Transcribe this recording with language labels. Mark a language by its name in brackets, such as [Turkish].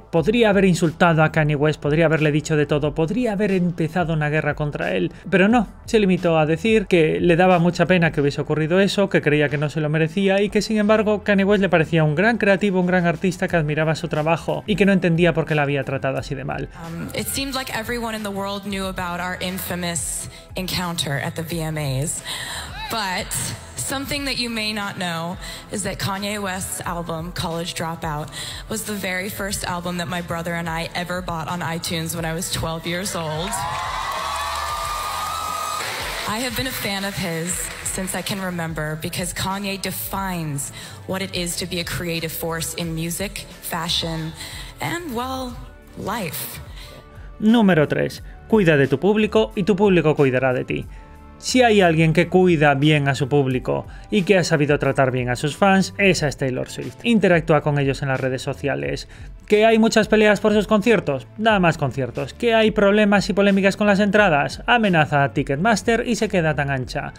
[Spanish] Podría haber insultado a Kanye West, podría haberle dicho de todo, podría haber empezado una guerra contra él. Pero no, se limitó a decir que le daba mucha pena que hubiese ocurrido eso, que creía que no se lo merecía y que, sin embargo, Kanye West le parecía un gran creativo, un gran artista que admiraba su trabajo y que no entendía por qué la había tratado así de mal. [English] It seemed like everyone in the world knew about our infamous encounter at the VMAs. But something that you may not know is that Kanye West's album College Dropout was the very first album that my brother and I ever bought on iTunes when I was 12 years old. I have been a fan of his since I can remember, because Kanye defines what it is to be a creative force in music, fashion, and, well, life. [Spanish] Número 3. Cuida de tu público y tu público cuidará de ti. Si hay alguien que cuida bien a su público y que ha sabido tratar bien a sus fans, esa es Taylor Swift. Interactúa con ellos en las redes sociales. ¿Que hay muchas peleas por sus conciertos? Da más conciertos. ¿Que hay problemas y polémicas con las entradas? Amenaza a Ticketmaster y se queda tan ancha.